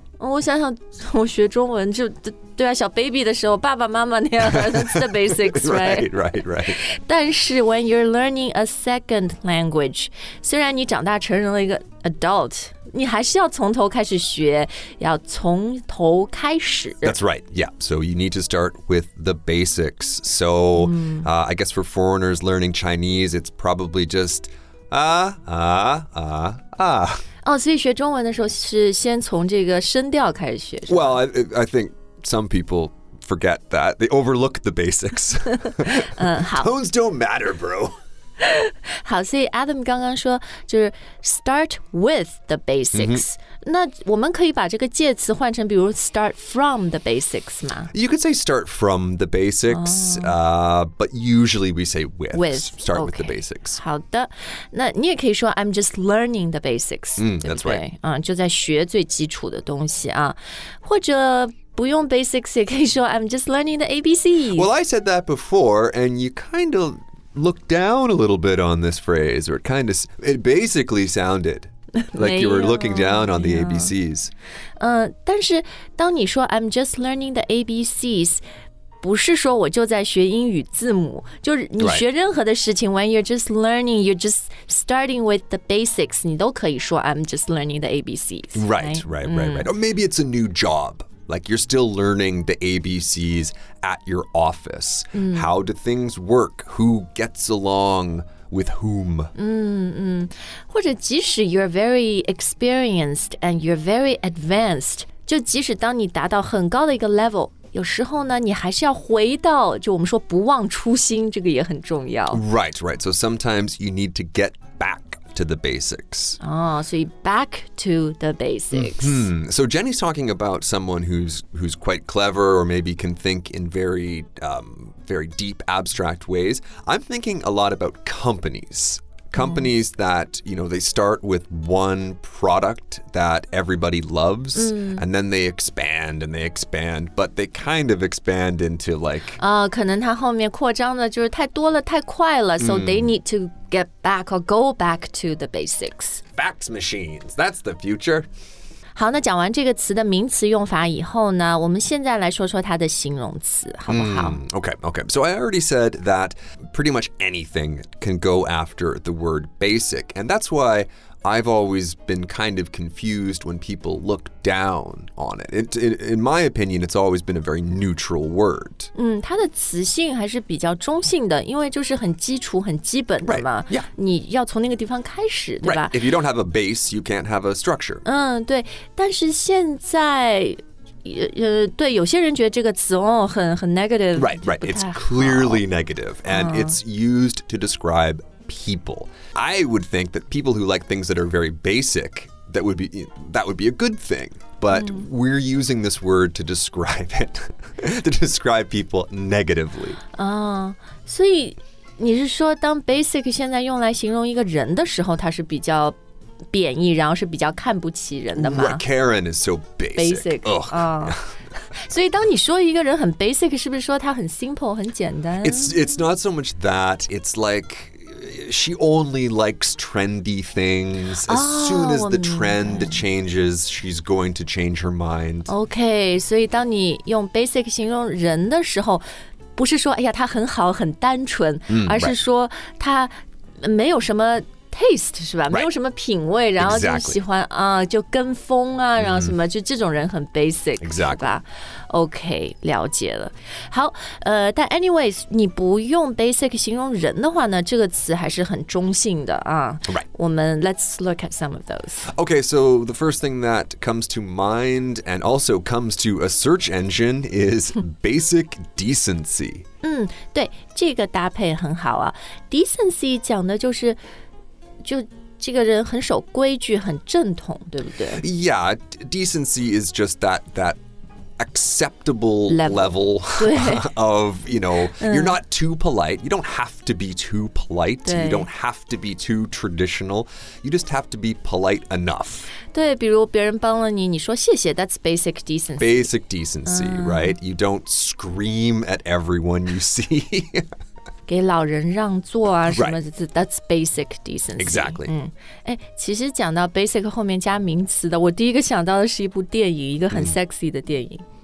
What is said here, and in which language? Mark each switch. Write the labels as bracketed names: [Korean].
[Chinese] 我想想我学中文就对啊小 baby 的时候爸爸妈妈那样 [English] That's the basics, right? Right, right, right [Chinese] 但是 [English] when you're learning a second language [Chinese] 虽然你长大成人了一个 adult 你还是要从头开始学要从头开始 [English] That's right, yeah So you need to start with the basics So、I guess for foreigners learning Chinese It's probably just [Chinese] Oh, 所以学中文的时候是先从这个声调开始学。 [English] Well, I think some people forget that. They overlook the basics. [Chinese] 好。 [English] Tones don't matter, bro. [Chinese] 好，所以 Adam 刚刚说就是 [English] start with the basics.、 [Chinese] Mm-hmm. 那我们可以把这个介词换成比如 [English] start from the basics [Chinese] 吗 [English] You could say start from the basics,、but usually we say with. With. Start、 okay. with the basics. [Chinese] 好的，那你也可以说 [English] I'm just learning the basics,、 That's right. [Chinese] 就在学最基础的东西啊，或者不用 basics 也可以说 [English] I'm just learning the ABCs. Well, I said that before, and you kind ofLook down a little bit on this phrase, or kind of, it basically sounded like you were looking down on the ABCs. [Chinese] 但是当你说 [English] I'm just learning the ABCs, [Chinese] 不是说我就在学英语字母，就是你学任何的事情 [English] when you're just learning, you're just starting with the basics, [Chinese] 你都可以说 [English] I'm just learning the ABCs. Right, right, right, right. Or maybe it's a new job. Like you're still learning the ABCs at your office.、How do things work? Who gets along with whom? [Chinese] 或者即使 [English] you're very experienced and you're very advanced, [Chinese] 就即使当你达到很高的一个 level, 有时候呢你还是要回到就我们说不忘初心这个也很重要。 [English] Right, right. So sometimes you need to get back. To the basics. Oh, so back to the basics. Mm-hmm. So Jenny's talking about someone who's quite clever or maybe can think in very, very deep, abstract ways. I'm thinking a lot about companies. Companies that, you know, they start with one product that everybody loves, and then they expand and they expand, but they kind of expand into like... [Chinese] 可能它后面扩张的就是太多了，太快了， [English] so they need to... Get back or go back to the basics. Fax machines. That's the future. [Chinese] 好，那讲完这个词的名词用法以后呢，我们现在来说说它的形容词，好不好？ [English] Okay. So I already said that pretty much anything can go after the word basic, and that's why I've always been kind of confused when people look down on it. In my opinion, it's always been a very neutral word. [Chinese] 它的词性还是比较中性的，因为就是很基础、很基本的嘛。 [English] Right. Yeah. [Chinese] 你要从那个地方开始，对吧？ [English] Right. If you don't have a base, you can't have a structure. [Chinese] 对。但是现在对，有些人觉得这个词哦，很 negative. [English] Right. It's clearly negative, and it's used to describe people. I would think that people who like things that are very basic, that would be a good thing. But we're using this word to describe it, to describe people negatively. [Chinese] 所以你是说，当 basic 现在用来形容一个人的时候，它是比较贬义，然后是比较看不起人的吗？ [English] Right, Karen is so basic. Basic. [Chinese] 所以当你说一个人很 basic, 是不是说他很 simple, 很简单？ [English] It's not so much that. It's like she only likes trendy things. As soon as the trend changes, she's going to change her mind. [Chinese] Okay, 所以当你用 basic 形容人的时候，不是说哎呀他很好很单纯，而是说他没有什么taste 是吧？ [English] Right. [Chinese] 没有什么品味，然后就喜欢啊， [English] exactly. [Chinese] 就跟风啊，然后什么， mm-hmm. 就这种人很 basic， [English] exactly. [Chinese] 吧 ？OK， 了解了。好，但 anyways， 你不用 basic 形容人的话呢，这个词还是很中性的啊。 [English] Right. [Chinese] 我们 [English] let's look at some of those. Okay, so the first thing that comes to mind and also comes to a search engine is basic decency. [Chinese] 对，这个搭配很好啊。 Decency 讲的就是就这个人很守规矩，很正统，对不对？ [English] Yeah, decency is just that acceptable level of, you know, you're not too polite. You don't have to be too polite. You don't have to be too traditional. You just have to be polite enough. [Chinese] 对，比如别人帮了你，你说谢谢， [English] that's basic decency. Basic decency, right? You don't scream at everyone you see. [Chinese] 给老人让座啊什么的、right. [English] That's basic decency. Exactly. [Chinese] 其实讲到 basic 后面加名词的，我第一个想到的是一部电影，一个很 sexy 的电影。